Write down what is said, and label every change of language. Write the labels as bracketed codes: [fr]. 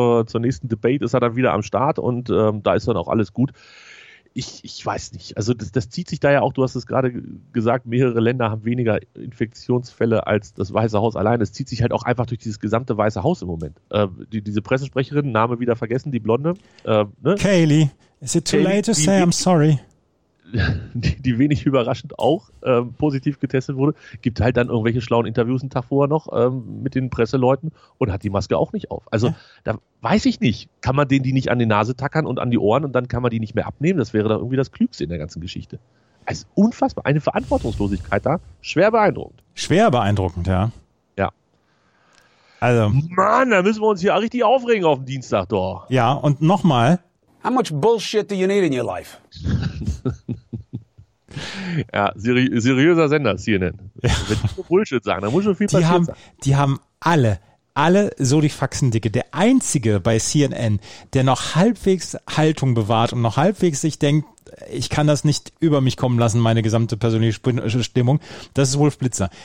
[de] zur nächsten Debate ist er dann wieder am Start und da ist dann auch alles gut. Ich weiß nicht, also das zieht sich da ja auch, du hast es gerade gesagt, mehrere Länder haben weniger Infektionsfälle als das Weiße Haus allein. Es zieht sich halt auch einfach durch dieses gesamte Weiße Haus im Moment. Diese Pressesprecherin, Name wieder vergessen, die Blonde. [en] Kaylee, is it too late to say I'm sorry? [de] Die wenig überraschend auch positiv getestet wurde, gibt halt dann irgendwelche schlauen Interviews einen Tag vorher noch mit den Presseleuten und hat die Maske auch nicht auf. Also da weiß ich nicht, kann man denen die nicht an die Nase tackern und an die Ohren und dann kann man die nicht mehr abnehmen? Das wäre doch irgendwie das Klügste in der ganzen Geschichte. Also unfassbar, eine Verantwortungslosigkeit da, schwer beeindruckend. Schwer beeindruckend, ja. Ja. Also. Mann, da müssen wir uns hier auch richtig aufregen auf dem Dienstag, doch. Ja, und nochmal. [en] How much bullshit do you need in your life? [de] Ja, seriöser Sender, CNN. Ja. Wenn die Bullshit sagen, dann muss schon viel passieren. Die haben alle so die Faxen dicke. Der Einzige bei CNN, der noch halbwegs Haltung bewahrt und noch halbwegs sich denkt, ich kann das nicht über mich kommen lassen, meine gesamte persönliche Stimmung, das ist Wolf Blitzer.